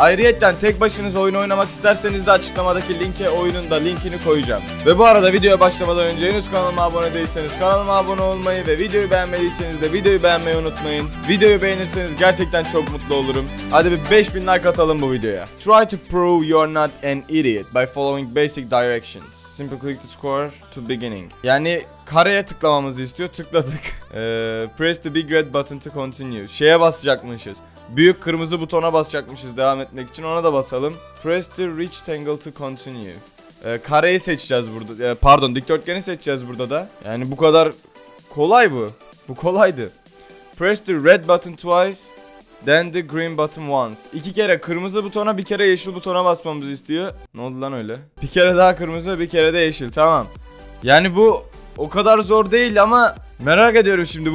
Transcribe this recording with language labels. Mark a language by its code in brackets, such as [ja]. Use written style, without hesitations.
[tr] Ayrıyeten tek başınız oyun oynamak isterseniz de açıklamadaki linke oyunun da linkini koyacağım. Ve bu arada videoya başlamadan önce henüz kanalıma abone değilseniz kanalıma abone olmayı ve videoyu beğenmediyseniz de videoyu beğenmeyi unutmayın. Videoyu beğenirseniz gerçekten çok mutlu olurum. Hadi bir 5000 like atalım bu videoya. [en] Try to prove you're not an idiot by following basic directions. Simple click the score to beginning. [tr] Yani kareye tıklamamızı istiyor. Tıkladık. [en] Press the big red button to continue. [tr] Şeye basacakmışız. Büyük kırmızı butona basacakmışız devam etmek için. Ona da basalım. [en] Press the rectangle to continue. [tr] Kareyi seçeceğiz burada. Pardon, dikdörtgeni seçeceğiz burada da. Yani bu kadar kolay bu. Bu kolaydı. [en] Press the red button twice, then the green button once. [tr] İki kere kırmızı butona, bir kere yeşil butona basmamızı istiyor. Ne oldu lan öyle? Bir kere daha kırmızı, bir kere de yeşil. Tamam. Yani bu o kadar zor değil ama merak ediyorum şimdi.